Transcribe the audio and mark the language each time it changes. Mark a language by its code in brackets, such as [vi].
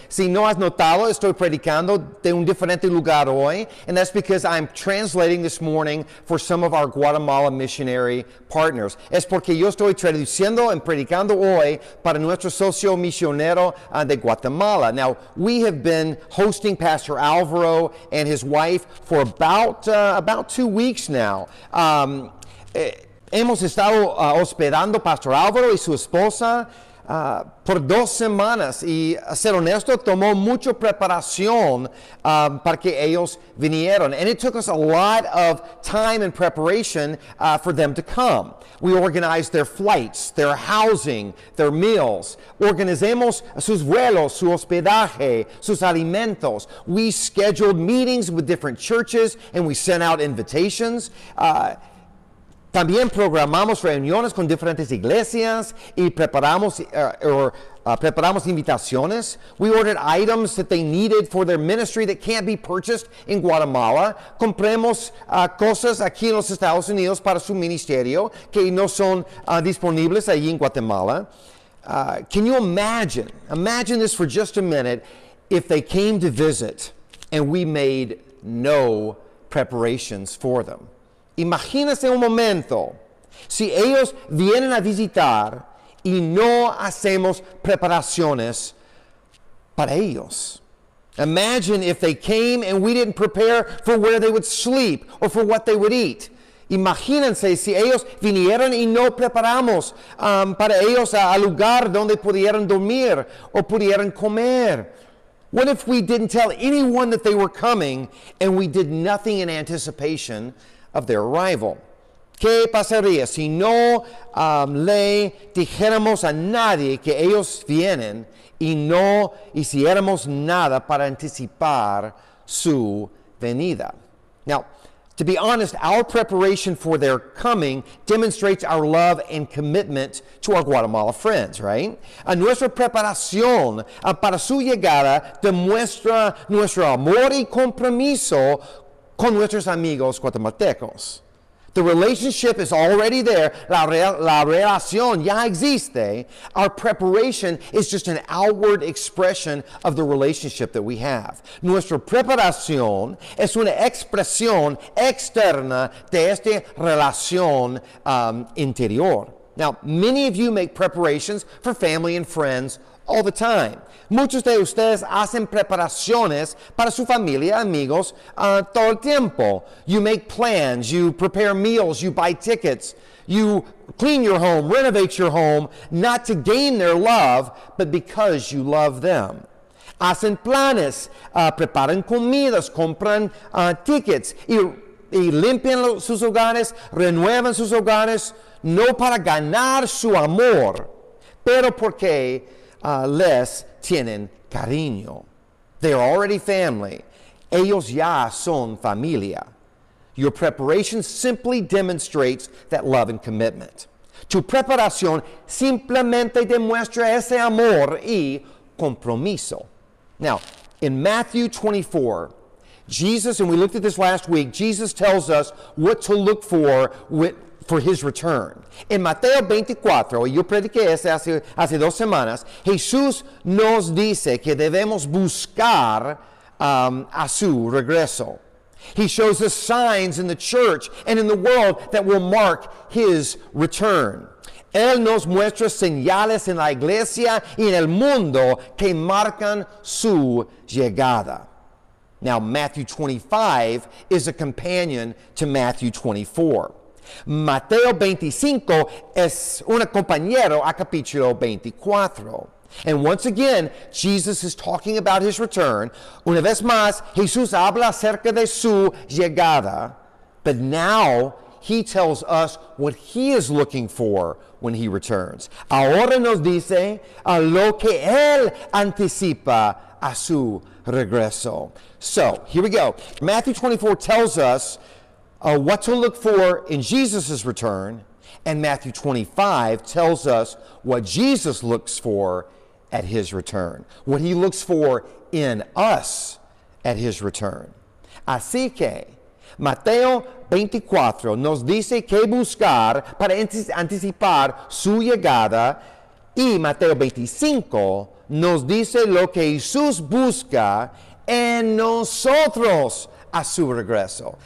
[es] Si no has notado, estoy predicando de un diferente lugar hoy. [en] And that's because I'm translating this morning for some of our Guatemala missionary partners. [es] Es porque yo estoy traduciendo y predicando hoy para nuestro socio misionero de Guatemala. [en] Now, we have been hosting Pastor Alvaro and his wife for about 2 weeks now. [es] Hemos estado hospedando Pastor Álvaro y su esposa por dos semanas y, a ser honesto, tomó mucho preparación para que ellos vinieron. [en] And it took us a lot of time and preparation for them to come. We organized their flights, their housing, their meals. [es] Organizamos sus vuelos, su hospedaje, sus alimentos. [en] We scheduled meetings with different churches and we sent out invitations. [es] También programamos reuniones con diferentes iglesias y preparamos invitaciones. [en] We ordered items that they needed for their ministry that can't be purchased in Guatemala. [es] Compramos cosas aquí en los Estados Unidos para su ministerio que no son disponibles allí en Guatemala. [en] Can you imagine this for just a minute, if they came to visit and we made no preparations for them? [es] Imagínese un momento, si ellos vienen a visitar y no hacemos preparaciones para ellos. [en] Imagine if they came and we didn't prepare for where they would sleep or for what they would eat. [es] Imagínense si ellos vinieron y no preparamos para ellos a lugar donde pudieran dormir o pudieran comer. [en] What if we didn't tell anyone that they were coming and we did nothing in anticipation of their arrival? [es] ¿Qué pasaría si no le dijéramos a nadie que ellos vienen y no hiciéramos nada para anticipar su venida? [en] Now, to be honest, our preparation for their coming demonstrates our love and commitment to our Guatemala friends, right? [es] Nuestra preparación para su llegada demuestra nuestro amor y compromiso con nuestros amigos guatemaltecos. [en] The relationship is already there. [es] La relación ya existe. [en] Our preparation is just an outward expression of the relationship that we have. [es] Nuestra preparación es una expresión externa de esta relación interior. [en] Now, many of you make preparations for family and friends all the time. [es] Muchos de ustedes hacen preparaciones para su familia, amigos, todo el tiempo. [en] You make plans, you prepare meals, you buy tickets, you clean your home, renovate your home, not to gain their love, but because you love them. [es] Hacen planes, preparan comidas, compran tickets, y limpian sus hogares, renuevan sus hogares, no para ganar su amor, pero porque les tienen cariño. [en] They are already family. [es] Ellos ya son familia. [en] Your preparation simply demonstrates that love and commitment. [es] Tu preparación simplemente demuestra ese amor y compromiso. [en] Now, in Matthew 24, Jesus, and we looked at this last week, Jesus tells us what to look for for his return. [es] In Mateo 24, yo prediqué ese hace dos semanas, Jesús nos dice que debemos buscar a su regreso. [en] He shows us signs in the church and in the world that will mark his return. [es] Él nos muestra señales en la iglesia y en el mundo que marcan su llegada. [en] Now, Matthew 25 is a companion to Matthew 24. [es] Mateo 25 es una compañero a capítulo 24. [en] And once again, Jesus is talking about his return. [es] Una vez más, Jesús habla acerca de su llegada. [en] But now, he tells us what he is looking for when he returns. [es] Ahora nos dice a lo que él anticipa a su regreso. [en] So, here we go. Matthew 24 tells us what to look for in Jesus' return, and Matthew 25 tells us what Jesus looks for at his return, what he looks for in us at his return. [es] Así que Mateo 24 nos dice que buscar para anticipar su llegada, y Mateo 25 nos dice lo que Jesús busca en nosotros a su regreso.